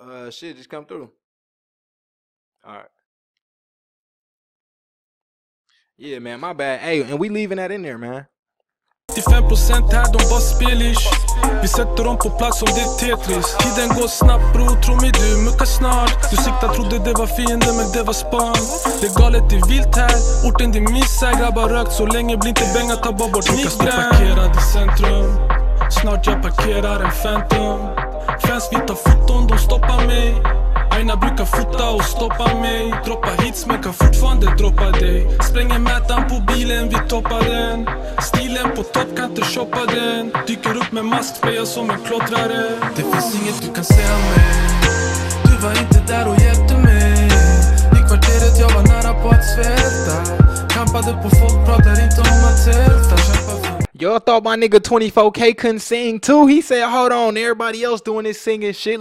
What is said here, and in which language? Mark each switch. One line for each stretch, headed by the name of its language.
English: Shit, just come through. Alright. Yeah, man, my bad. Hey, and we leaving that in there, man.
Swedish: 95% här, de bara spelish. Vi sätter dem på plats som det är Tetris. Tiden går snabbt, bro, tro mig du, mycket snart. Du siktar, trodde det var fiende, men det var span. Det är galet, det är vilt här. Orten, det är missa, grabbar rökt. Så länge blir inte bänga, ta bara bort mig. Du kan stå parkerad i centrum. Snart jag parkerar en Phantom. Fans, vi tar foton, de stoppar mig. Aina brukar fota och stoppa mig. Droppa hits men kan fortfarande droppa dig. Spränger mätan på bilen, vi toppar den. Stilen på topp kan inte shoppa den. Dyker upp med mask, spejar som en klottrare. Det finns inget du kan säga mig. Du var inte där och hjälpte mig. I kvarteret jag var nära på att svälta. Kampade på folk, pratar inte om att tälta.
English: Y'all thought my nigga 24K couldn't sing too? He said, hold on, everybody else doing this singing shit.